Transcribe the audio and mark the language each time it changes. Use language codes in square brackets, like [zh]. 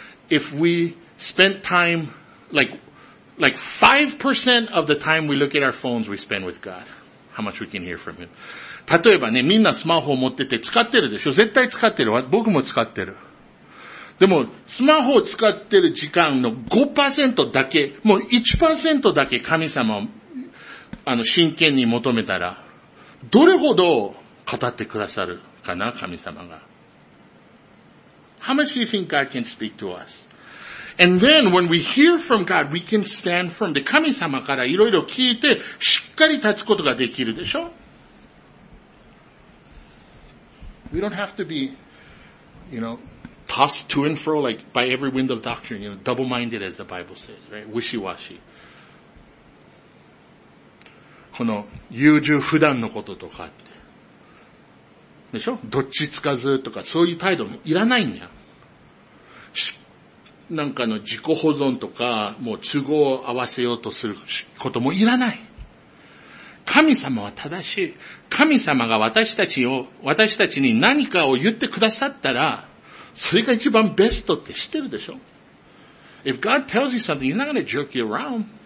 [en] if we spent time, like 5% of the time we look at our phones, we spend with God. How much we can hear from Him. [ja] 例えばね、みんなスマホを持ってて使ってるでしょ。絶対使ってるわ。僕も使ってる。でも、スマホを使ってる時間の 5% だけ、もう 1% だけ神様を、真剣に求めたら、どれほど語ってくださるかな、神様が。 [en] How much do you think God can speak to us? And then, when we hear from God, we can stand firm. [ja] で、神様からいろいろ聞いて、しっかり立つことができるでしょ。 [en] We don't have to be, you know, tossed to and fro like by every wind of doctrine, you know, double-minded as the Bible says, right? Wishy-washy. [ja] この優柔不断のこととかって。でしょ? どっちつかずとかそういう態度もいらないんや。なんかの自己保存とか、もう都合を合わせようとすることもいらない。神様は正しい。神様が私たちに何かを言ってくださったら、それが一番ベストって知ってるでしょ? [en] If God tells you something, He's not going to jerk you around.